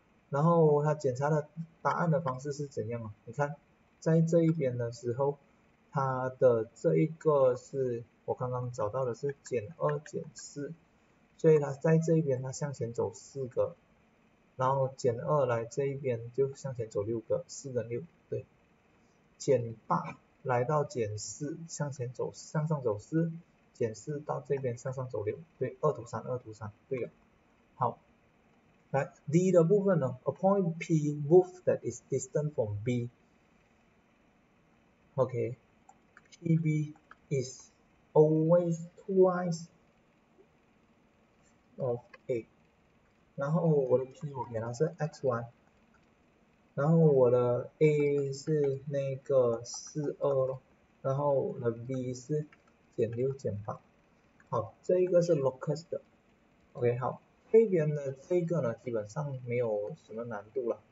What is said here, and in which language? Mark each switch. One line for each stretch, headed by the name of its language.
Chinese: 然后他检查的答案的方式是怎样啊？你看，在这一边的时候，他的这一个是我刚刚找到的是减二减四，所以他在这一边他向前走四个，然后减二来这一边就向前走六个，四跟六，对，减八来到减四向前走向上走四，减四到这边向上走六，对，二图三二图三，对了，好。来，D 的部分呢？
English: A point P moves that is distant from B. OK, PB is always twice of A.
Chinese: 然后我的 P 我给它是 x1，然后我的 A 是那个四二咯，然后我的 B 是减六减八。好，这一个是 locus 的。 OK，好。这边呢，这个呢，基本上没有什么难度了。